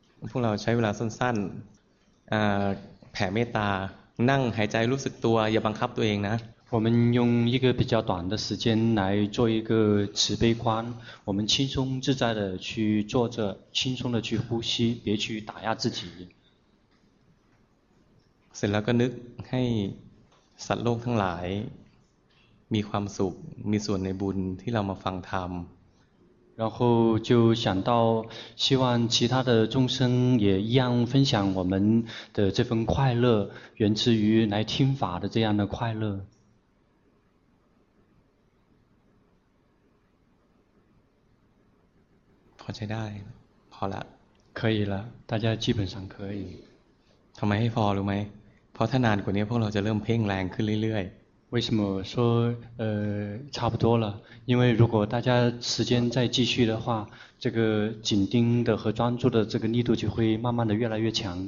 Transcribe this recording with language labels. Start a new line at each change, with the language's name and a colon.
Thai: พวกเราใช้เวลาสั้นๆแผ่เมตตานั่งหายใจรู้สึกตัวอย่าบังคับตัวเองนะ
Chinese: 我们用一个比较短的时间来做一个慈悲观，我们轻松自在的去坐着，轻松的去呼吸，别去打压自己。
Thai: เสร็จแล้วก็นึกให้สัตว์โลกทั้งหลายมีความสุขมีส่วนในบุญที่เรามาฟังธรรม
Chinese: 然后就想到希望其他的众生也一样分享我们的这份快乐，源自于来听法的这样的快乐。
Thai: ใช้ได้พอละ
Chinese: 可以了大家基本上可以
Thai: ทำไมให้พอรู้ไหมเพราะถ้านานกว่านี้พวกเราจะเริ่มเพ่งแรงขึ้นเรื่อย
Chinese: ๆ为什么说差不多了因为如果大家时间再继续的话这个紧盯的和专注的这个力度就会慢慢的越来越强